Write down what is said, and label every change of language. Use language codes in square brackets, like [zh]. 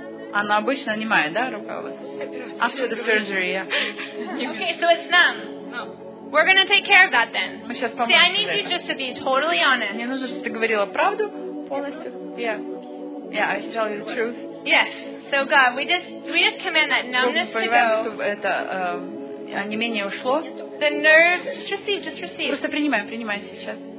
[ru] Она обычно немает, да, рука у вас? [en] After the surgery, yeah. Okay, so it's numb. No. We're going to take care of that then. [ru] Мы сейчас поможем. [en] See, I need you just to be totally honest. [ru] Мне нужно, чтобы ты говорила правду полностью. [en] Yeah. Yeah, I tell you the truth. Yes. So, God, we just command that numbness to go. [ru] Мы понимаем, чтобы это онемение ушло. [en] The nerves, just receive. [ru] Просто принимай сейчас.